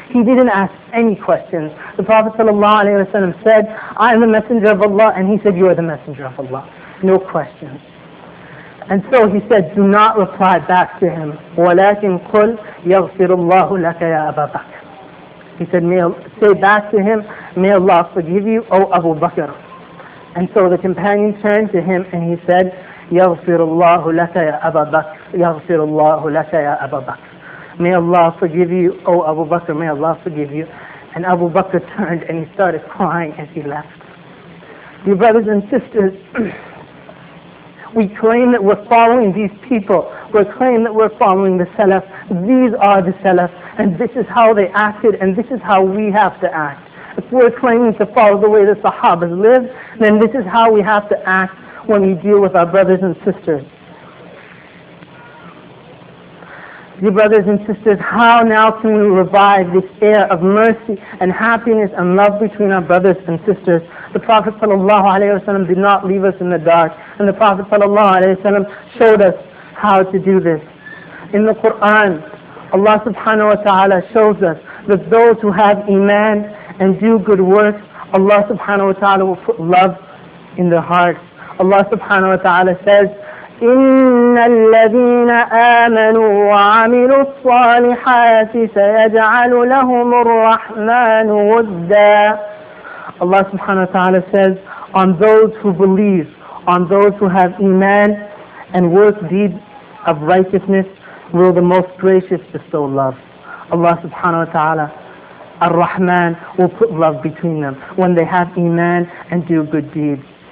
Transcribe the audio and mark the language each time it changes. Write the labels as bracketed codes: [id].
[en] He didn't ask any questions. The Prophet sallallahu alayhi wa sallam said, I am the messenger of Allah, and he said, you are the messenger of Allah. No questions. And so he said, do not reply back to him. [ar] وَلَكِنْ قُلْ يَغْفِرُ اللَّهُ لَكَ يَا أَبَا بَكْرٍ. [en] He said, say back to him, may Allah forgive you, O Abu Bakr. And so the companion turned to him and he said, [ar] يَغْفِرُ اللَّهُ لَكَ يَا أَبَا بَكْرٍ يَغْفِرُ اللَّهُ لَكَ يَا أَبَا بَكْرٍ. [en] May Allah forgive you, O Abu Bakr, may Allah forgive you. And Abu Bakr turned and he started crying as he left. Dear brothers and sisters, we claim that we're following these people. We claim that we're following the Salaf. These are the Salaf. And this is how they acted and this is how we have to act. If we're claiming to follow the way the Sahabas lived, then this is how we have to act when we deal with our brothers and sisters. Dear brothers and sisters, how now can we revive this air of mercy and happiness and love between our brothers and sisters? The Prophet sallallahu alayhi wa sallam did not leave us in the dark. And the Prophet sallallahu alayhi wa sallam showed us how to do this. In the Quran, Allah subhanahu wa ta'ala shows us that those who have iman and do good works, Allah subhanahu wa ta'ala will put love in their hearts. Allah subhanahu wa ta'ala says, [ar] إِنَّ الَّذِينَ آمَنُوا وَعَمِلُوا الصَّالِحَاتِ سَيَجْعَلُ لَهُمُ الرَّحْمَنُ وُدَّا. [en] Allah subhanahu wa ta'ala says, on those who believe, on those who have iman and work deeds of righteousness, will the Most Gracious bestow love. Allah subhanahu wa ta'ala, Ar-Rahman, will put love between them when they have iman and do good deeds.